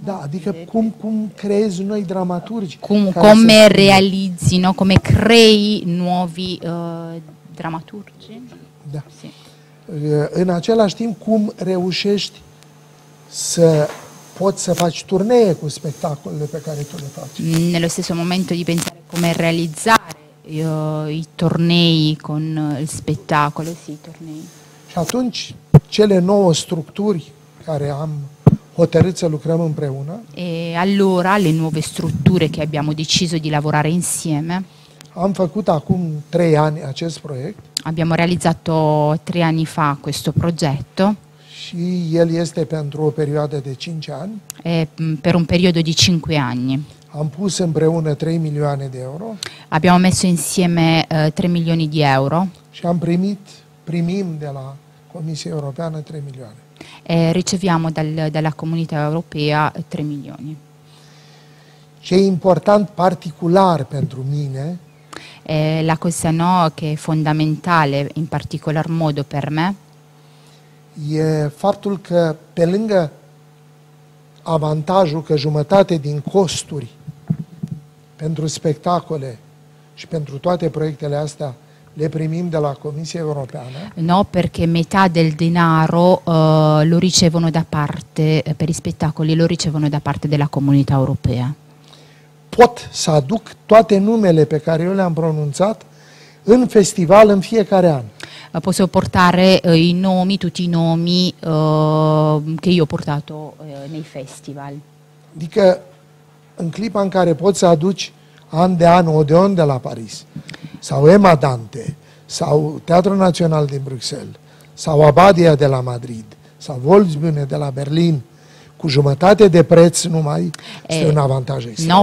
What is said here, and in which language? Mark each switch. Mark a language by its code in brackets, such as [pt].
[ro] Da, adică cum creezi noi dramaturgi? [it] Come realizzi, no? Come crei nuovi dramaturgi? [ro] Da. În același timp, cum reușești să poți să faci turnee cu spectacolele pe care tu le faci? [it] Nello stesso momento di pensare come realizzare i tornei con il spettacolo, sì, i tornei. [ro] Și atunci, cele 9 structuri care am hotărât să lucrăm împreună. [it] E allora le nuove strutture che abbiamo deciso di lavorare insieme. [ro] Am făcut acum 3 ani acest proiect. [it] Abbiamo realizzato 3 anni fa questo progetto. [ro] Și el este pentru o perioadă de 5 ani. [it] E per un periodo di 5 anni. [ro] Am pus împreună 3 milioane de euro. [it] Abbiamo messo insieme 3 milioni di euro. [ro] Și am primim de la Comisia Europeană 3 milioane. [it] E riceviamo dalla Comunità Europea 3 milioni. [ro] Ce e important particular pentru mine. [it] La cosa no che è fondamentale in particolar modo per me. [ro] E faptul că pe lângă avantajul că jumătate din costuri pentru spectacole și pentru toate proiectele astea le primim de la Comisia Europeană. [it] No, perché metà del denaro lo ricevono da parte per i spettacoli lo ricevono da parte della Comunità Europea. [ro] Pot să aduc toate numele pe care eu le-am pronunțat în festival în fiecare an. [it] Posso portare i nomi, tutti i nomi che io ho portato nei festival. [ro] Adică în clipa în care poți să aduci an de an Odeon de la Paris, sau Emma Dante, sau Teatrul Național din Bruxelles, sau Abadia de la Madrid, sau Volksbühne de la Berlin, cu jumătate de preț numai, este un avantaj extraordinar.